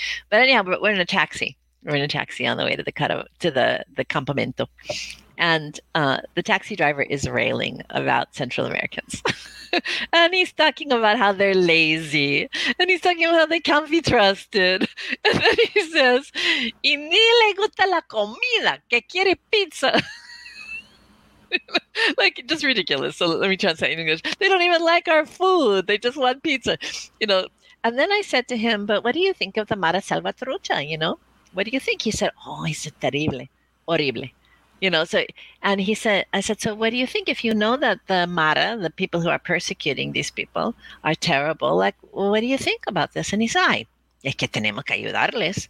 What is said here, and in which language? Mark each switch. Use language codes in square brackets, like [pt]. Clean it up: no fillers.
[en] But anyhow, we're in a taxi. We're in a taxi on the way to the cut of, to the campamento. And the taxi driver is railing about Central Americans. And he's talking about how they're lazy. And he's talking about how they can't be trusted. And then he says, [es] y ni le gusta la comida, que quiere pizza. [en] Like, just ridiculous. So let me translate in English. They don't even like our food. They just want pizza, you know. And then I said to him, but what do you think of the Mara Salvatrucha, you know? What do you think? He said, oh, he said, terrible, horrible. You know, so, and he said, I said, so what do you think if you know that the Mara, the people who are persecuting these people, are terrible? Like, well, what do you think about this? And he said, [es] ay, es que tenemos que ayudarles.